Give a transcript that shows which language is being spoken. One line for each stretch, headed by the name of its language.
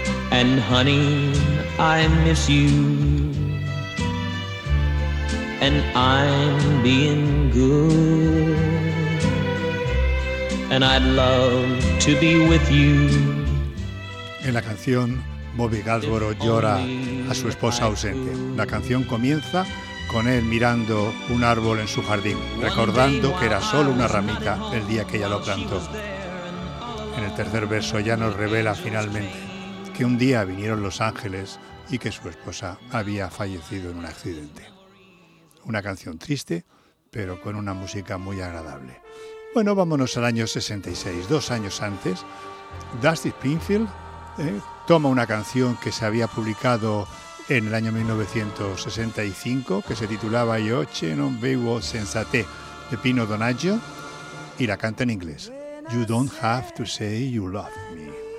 English: And honey, I miss you, and I'm being good, and I'd love to be with you.
Spanish: En la canción, Bobby Gasboro llora a su esposa ausente. La canción comienza con él mirando un árbol en su jardín, recordando que era solo una ramita el día que ella lo plantó. En el tercer verso ya nos revela finalmente que un día vinieron los ángeles y que su esposa había fallecido en un accidente. Una canción triste, pero con una música muy agradable. Bueno, vámonos al año 66, dos años antes. Dusty Springfield toma una canción que se había publicado en el año 1965, que se titulaba Io ce non vivo senza te, de Pino Donaggio, y la canta en inglés.
English: You don't have to say you love me.